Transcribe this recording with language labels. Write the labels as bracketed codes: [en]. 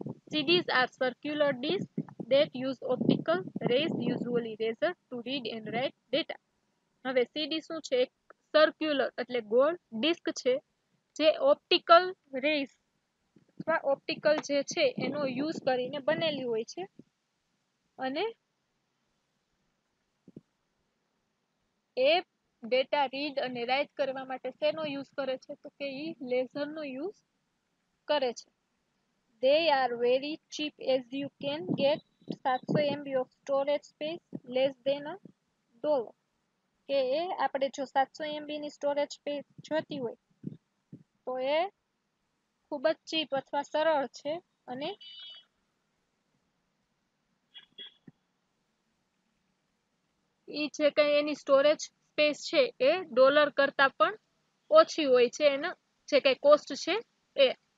[en] CDs are circular disks that use optical rays, usually razor, to read and write data. [gu] હવે CD શું છે? એક circular એટલે ગોળ ડિસ્ક છે, જે optical rays અથવા optical જે છે એનો use કરીને બનેલી હોય છે, અને એ ડેટા રીડ અને રાઇટ કરવા માટે શેનો યુઝ કરે છે? તો કે એ લેઝરનો યુઝ કરે છે. [en] They are very cheap as you can get 700 MB of storage space less than a dollar. [gu] કે એ આપણે જો 700 MB ની સ્ટોરેજ સ્પેસ જોતી હોય તો એ ખૂબ જ ચીપ અથવા સરળ છે, અને એ છે કે એની સ્ટોરેજ સ્પેસ છે એ ડોલર કરતાં પણ ઓછી હોય છે, એનો જે કંઈ કોસ્ટ છે એ.